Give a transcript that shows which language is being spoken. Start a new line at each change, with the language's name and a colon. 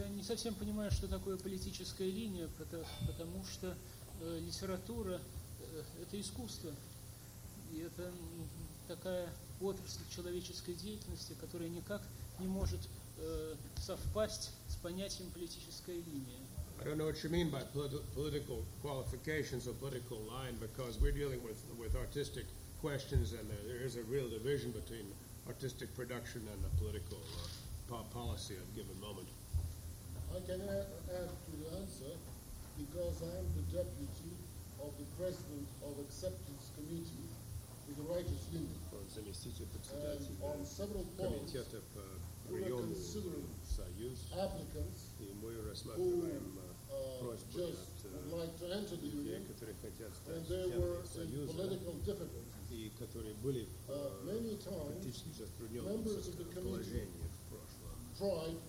Russian: я не совсем понимаю, что такое политическая линия, потому что литература – это искусство, и это такая отрасль человеческой деятельности, которая никак не может совпасть с понятием политической линии.
English: I don't know what you mean by political qualifications or political line, because we're dealing with artistic questions, and there is a real division between artistic production and the political policy at a given moment. I can add to the answer, because I am the deputy of the president of acceptance committee with the Writers Union.
Russian: Комитета по приему Союз, и мы рассматриваем просьбы от людей, которые хотят стать членами Союза, и которые были политически затруднены в положении в прошлом.